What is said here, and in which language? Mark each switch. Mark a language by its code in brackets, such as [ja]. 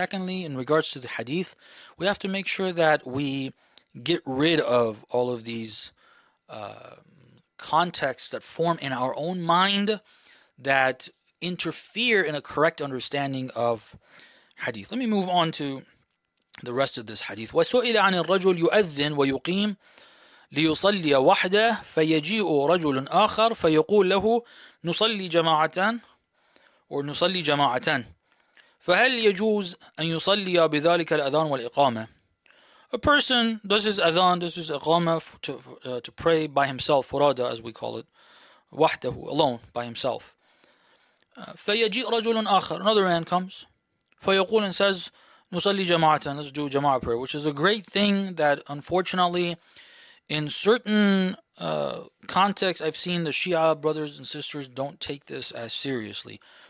[en] Secondly, in regards to the hadith, we have to make sure that we get rid of all of these contexts that form in our own mind that interfere in a correct understanding of hadith. Let me move on to the rest of this hadith. [ar] وَسُئِلَ عَنِ الرَّجُلِ يُؤَذِّنْ وَيُقِيمْ لِيُصَلِّيَ وَحْدَهُ فَيَجِيءُ رَجُلٌ آخَرٌ فَيَقُولُ لَهُ نُصَلِّي جَمَاعَةً or نصلي جماعة فهل يجوز أن يصلي بذلك الأذان والإقامة. [en] A person does his adhan, does his iqama to pray by himself, furada as we call it, وحده, alone, by himself. [ar] فيجيء رجل آخر, [en] another man comes, فيقول and says, [ar] نصلي جماعة, [en] let's do jama'a prayer, which is a great thing that unfortunately in certain contexts I've seen the Shia brothers and sisters don't take this as seriously.